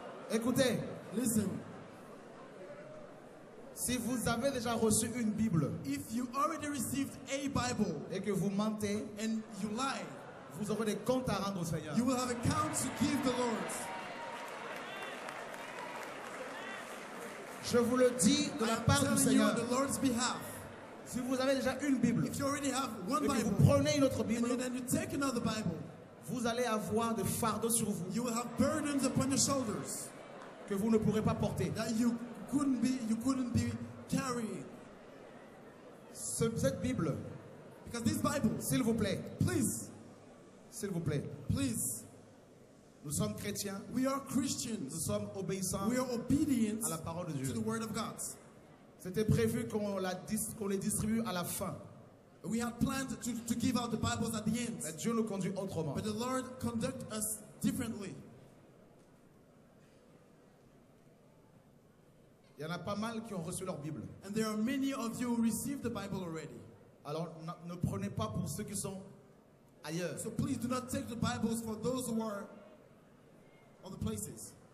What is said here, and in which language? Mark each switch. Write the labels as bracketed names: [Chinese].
[French] Écoutez. [English] Listen. [French] Si vous avez déjà reçu une Bible, [English] if you already received a Bible, [French] et que vous mentez, [English] and you lie, [French] vous aurez des comptes à rendre au Seigneur. [English] You will have a count to give the Lord. [French] Je vous le dis de la part du Seigneur. [English] You on the Lord's behalf. [French] Si vous avez déjà une Bible, [English] if you already have one [French] et [English] Bible, [French] que vous prenez une autre Bible, [English] and then you take another Bible, [French] vous allez avoir des fardeaux sur vous, [English] you will have burdens upon your shoulders, [French] que vous ne pourrez pas porter. [English] That you couldn't be carrying. [French] Cette Bible, [English] because this Bible, [French] s'il vous plaît, [English] please, [French] s'il vous plaît, [English] please. [French] Nous sommes chrétiens. [English] We are Christians. [French] Nous sommes obéissants. [English] We are obedient [French] à la parole de Dieu. [English] To the word of God. [French] C'était prévu qu'on les distribue à la fin. [English] We had planned to give out the Bibles at the end. [French] Mais Dieu nous conduit autrement. [English] But the Lord conduct us differently. [French] Il y en a pas mal qui ont reçu leur Bible. [English] And there are many of you who received the Bible already. [French] Alors ne prenez pas pour ceux qui sont ailleurs. [English] So please do not take the Bibles for those who are on the places.